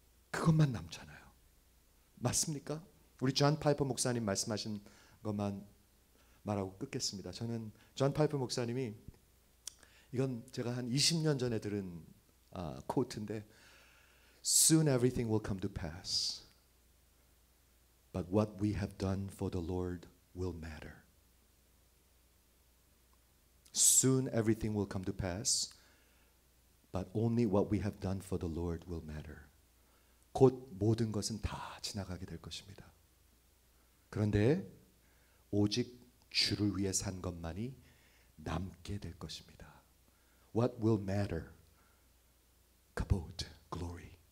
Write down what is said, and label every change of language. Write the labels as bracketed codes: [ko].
[ko] 그것만 남잖아요. 맞습니까? 우리 존 파이퍼 목사님 말씀하신 것만 말하고 끊겠습니다. 저는 존 파이퍼 목사님이, 이건 제가 한 20년 전에 들은 코트인데, [en] Soon everything will come to pass. But what we have done for the Lord will matter. Soon everything will come to pass. But only what we have done for the Lord will matter. [ko] 곧 모든 것은 다 지나가게 될 것입니다. 그런데 오직 주를 위해 산 것만이 남게 될 것입니다. [en] What will matter? Kabod, glory.